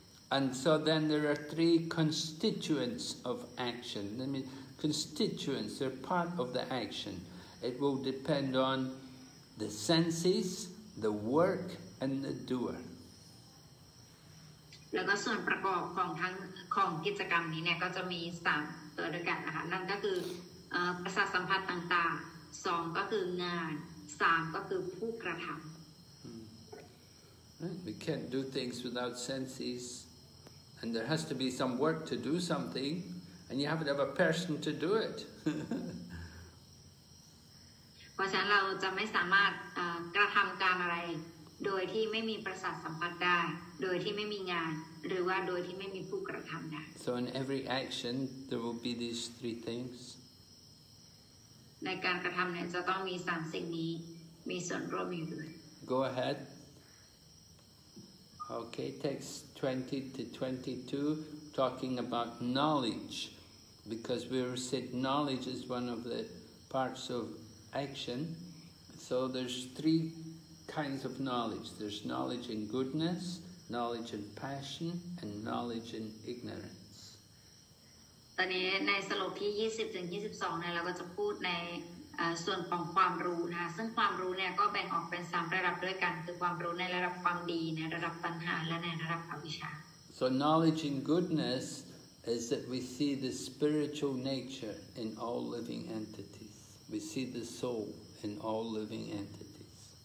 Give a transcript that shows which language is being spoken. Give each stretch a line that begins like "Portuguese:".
English: And so then there are three constituents of action. I mean, constituents are part of the action. It will depend on the senses, the work, and the doer.
Thai: แล้วก็ส่วนประกอบของทั้งของกิจกรรมนี้เนี่ยก็จะมี3ตัวด้วยกันนะคะนั่นก็คือประสาทสัมผัสต่างๆ2ก็คืองาน3ก็คือผู้กระทำ
English: We can't do things without senses and there has to be some work to do something and you have to have a person to do it
Thai: เพราะฉะนั้นเราจะไม่สามารถกระทำการอะไรโดยที่ไม่มีประสาทสัมผัสได้โดยที่ไม่มีงานหรือว่าโดยที่ไม่มีผู้กระทำได้
English: So in every action there will be these three things
Thai: ในการกระทำเนี่ยจะต้องมี3สิ่งนี้มีส่วนร่วมอยู่ด้วย
English: Go ahead Okay text 20 to 22 talking about knowledge because we said knowledge is one of the parts of action so there's three kinds of knowledge there's knowledge in goodness knowledge in passion and knowledge in ignorance
Thai: ตอนนี้ในสโลกที่20ถึง22เนี่ยเราก็จะพูดในส่วนของความรู้นะซึ่งความรู้เนี่ยก็แบ่งออกเป็น3ระดับด้วยกันคือความรู้ในระดับความดีในระดับตัณหาและในระดับอวิชชา
English: So knowledge in goodness is that we see the spiritual nature in all living entities we see the soul in all living entities